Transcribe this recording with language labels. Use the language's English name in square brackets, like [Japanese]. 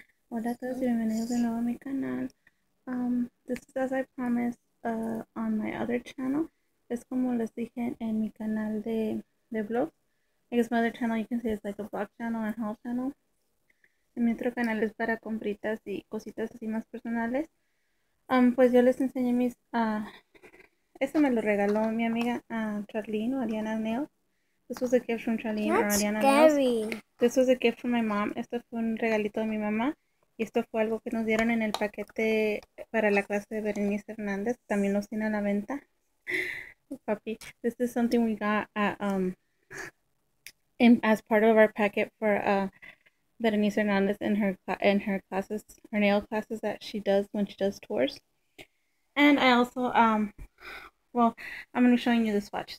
[Spanish] Hola a todos y bienvenidos de nuevo a mi canal. [English] This is as I promised on my other channel. [Spanish] Es como les dije en mi canal de blog. [English] I guess my other channel, you can say it's like a blog channel and haul channel. [Spanish] En mi otro canal es para compritas y cositas así más personales. Pues yo les enseñé mis. Esto me lo regaló mi amiga Charlene o Ariana Nails. [English] This was a gift from Charlene or Ariana Nails. This was a gift from my mom. [Spanish] Esto fue un regalito de mi mamá. Y esto fue algo que nos dieron en el paquete para la clase de Berenice Hernández. También los tiene a la venta. [English] Papi, this is something we got as part of our packet for Berenice Hernández in her classes, her nail classes that she does when she does tours. And I also, well, I'm going to be showing you the swatches.